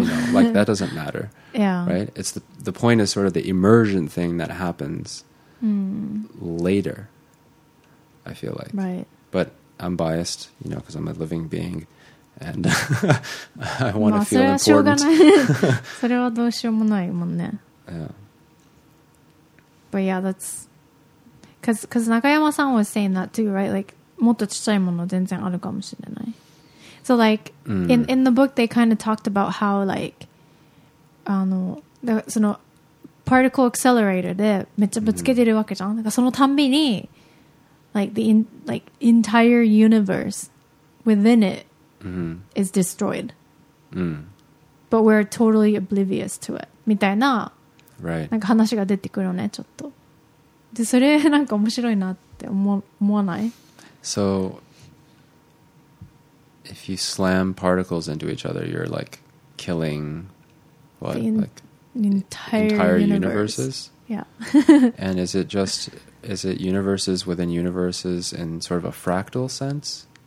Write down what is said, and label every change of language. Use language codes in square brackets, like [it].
[en] You know, like, that doesn't matter. Yeah. Right? It's the point is sort of the emergent thing that happens later, I feel like. Right. But I'm biased, you know, because I'm a living being and I want to feel important. [ja] それはどうしようもないもんね。 [en] Yeah. But yeah, that's... Because Nakayama-san was saying that too, right? [ja] Like, もっとちっちゃいもの全然あるかもしれない。 [en] So like, in the book, they kind of talked about how like, [ja] その particle accelerator でめっちゃぶつけてるわけじゃん。なんかそのたんびに [en] Like the entire universe within it is destroyed, but we're totally oblivious to it. [ja] みたいな、 [en] right. [ja] なんか話が出てくるね、ちょっと。で、それなんか面白いなって思わない？ [en] So, if you slam particles into each other, you're like killing what? The entire universes? Yeah. And is it just... Is it universes within universes in sort of a fractal sense?